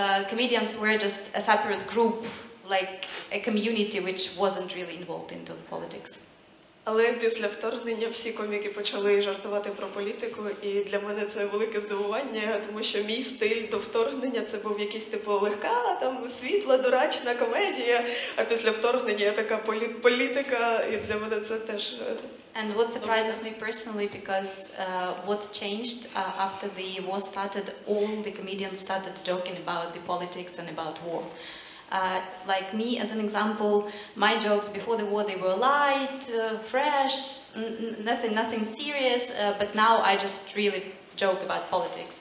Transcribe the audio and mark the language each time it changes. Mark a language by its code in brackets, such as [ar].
[en] Comedians were just a separate group, like a community which wasn't really involved into the politics. [uk] Але після вторгнення всі коміки почали жартувати про політику, і для мене це велике здивування, тому що мій стиль до вторгнення це був якийсь типу легка, там світла, дурачна комедія, а після вторгнення я така політика, і для мене це теж. [en] And what surprises me personally, because what changed after the war started, all the comedians started joking about the politics and about war. Like me, as an example, my jokes before the war, they were light, fresh, nothing serious, but now I just really joke about politics.